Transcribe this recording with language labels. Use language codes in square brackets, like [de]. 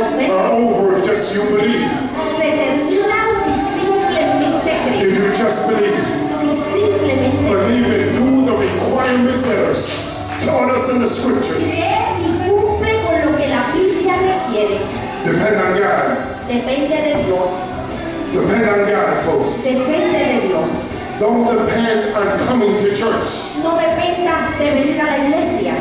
[en] are over if just you believe. [es] Se terminan si simplemente crees. [en] If you just believe. [es] Si simplemente [en] believe and do the requirements that are taught us in the scriptures. [es] Creer y cumple con lo que la Biblia requiere. [en] Depend on God. [es] Depende de Dios. [en] Depend on God, folks. [es] Depende de Dios. [en] Don't depend on coming to church. [es] No dependas de venir a la iglesia.